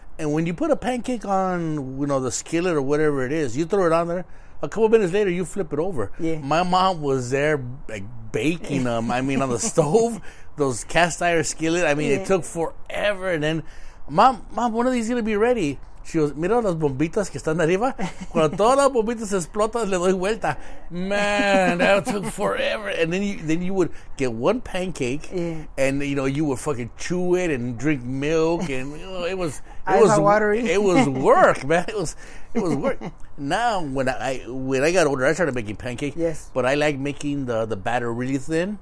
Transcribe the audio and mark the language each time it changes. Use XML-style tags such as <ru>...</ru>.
<en>And when you put a pancake on, you know, the skillet or whatever it is, you throw it on there. A couple minutes later, you flip it over. Yeah. My mom was there, like, baking them. I mean, on the stove, those cast iron skillet. I mean, it took forever. And then, mom, one of these is going to be ready.</en> <es>She goes, mira las bombitas que están arriba. Cuando todas las bombitas explotan, le doy vuelta.</es> <en>Man, that took forever. And then you would get one pancake, and, you know, you would fucking chew it and drink milk. And, you know, it was watery. It was work, man. It was work. Now, when I got older, I started making pancakes. Yes. But I like making the batter really thin.</en>